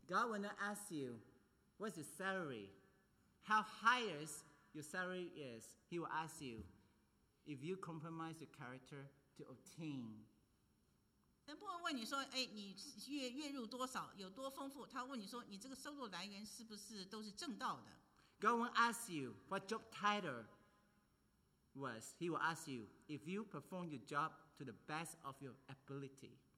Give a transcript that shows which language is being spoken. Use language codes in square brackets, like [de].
[en] God will not ask you what's your salary, how high is your salary is. He will ask you if you compromise your character to obtain. [zh] 神不会问你说，哎，你月入多少，有多丰富？他问你说你这个收入来源是不是都是正道的？ [en] God will ask you what job title was. He will ask you if you perform your job to the best of your ability.